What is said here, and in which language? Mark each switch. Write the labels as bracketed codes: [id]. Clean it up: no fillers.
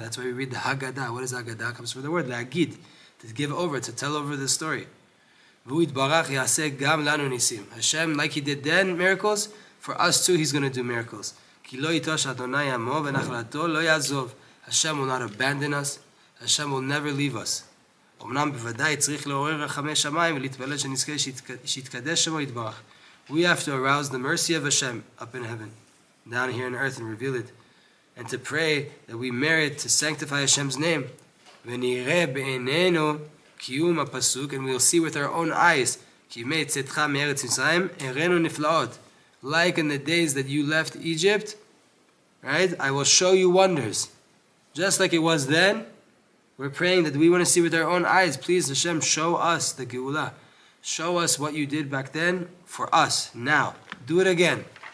[en] That's why we read the Haggadah. What is Haggadah? It comes from the word Lagid. To give over, to tell over the story. Hashem, like he did then, miracles. For us too, he's going to do miracles. Hashem will not abandon us. Hashem will never leave us. [he] אמנם בוודאי צריך לעורר רחמי שמיים ולהתפלל שנזכה שיתקדש שמו יתברך. [en] We have to arouse the mercy of Hashem up in heaven, down here in earth, and reveal it. And to pray that we merit to sanctify Hashem's name. [he] ונראה בעינינו קיום הפסוק, [en] and we'll see with our own eyes, [he] כי מי צאתך מארץ מצרים, הראינו נפלאות. [en] Like in the days that you left Egypt, right? I will show you wonders. Just like it was then, we're praying that we want to see with our own eyes. Please, Hashem, show us the Geula. Show us what you did back then for us now. Do it again.